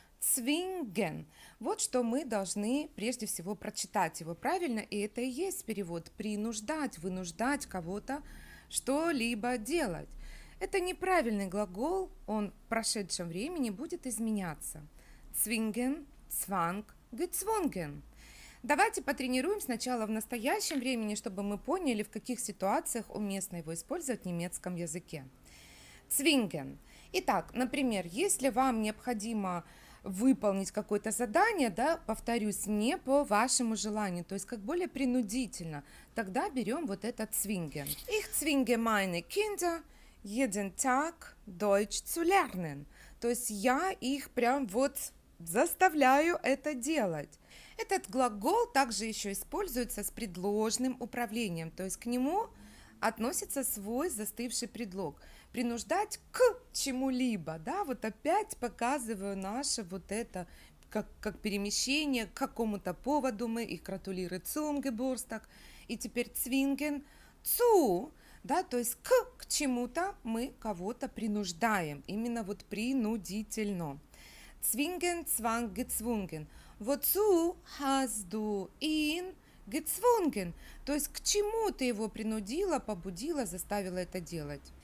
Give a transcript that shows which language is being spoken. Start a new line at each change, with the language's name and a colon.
German: Zwingen.
Russian: Вот что мы должны прежде всего прочитать его правильно, и это и есть перевод принуждать, вынуждать кого-то что-либо делать. Это неправильный глагол, он в прошедшем времени будет изменяться.
German: Zwingen, zwang, gezwungen.
Russian: Давайте потренируем сначала в настоящем времени, чтобы мы поняли, в каких ситуациях уместно его использовать в немецком языке.
German: Zwingen.
Russian: Итак, например, если вам необходимо выполнить какое-то задание, да, повторюсь, не по вашему желанию, то есть как более принудительно, тогда берем вот этот zwingen.
German: Ich zwinge meine Kinder jeden Tag Deutsch zu lernen.
Russian: То есть я их прям вот заставляю это делать. Этот глагол также еще используется с предложным управлением, то есть к нему относится свой застывший предлог. Принуждать к чему-либо, да, вот опять показываю наше вот это, как перемещение к какому-то поводу, мы их
German: gratulieren zum Geburtstag,
Russian: и теперь
German: zwingen zu,
Russian: да, то есть к чему-то мы кого-то принуждаем, именно вот принудительно.
German: Zwingen, zwang, gezwungen. Wozu hast du ihn gezwungen?
Russian: То есть к чему ты его принудила, побудила, заставила это делать?